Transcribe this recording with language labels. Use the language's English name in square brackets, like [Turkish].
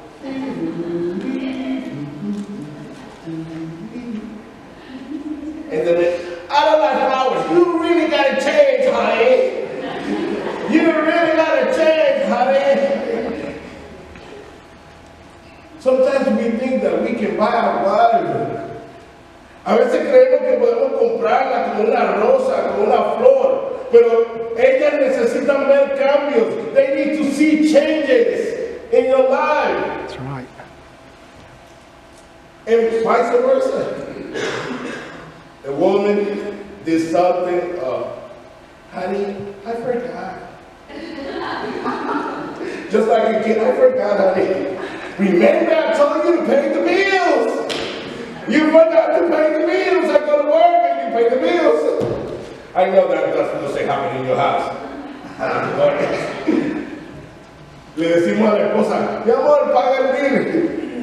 [English] And then, out of that flowers, you really got to change, honey. You really got to change, honey. Sometimes we think that we can buy our value. [Spanish] A veces creemos que podemos comprarla con una rosa, con una flor, pero ellas necesitan ver cambios. [English] They need to see changes in your life. That's right. And vice versa. A woman did something, honey, I forgot. Just like a kid, I forgot, honey. Remember I told you to pay the bills. You forgot to pay the bills. I go to work and you pay the bills. I know that doesn't say happen in your house. [Spanish] Le decimos a la esposa, mi amor, paga el bill.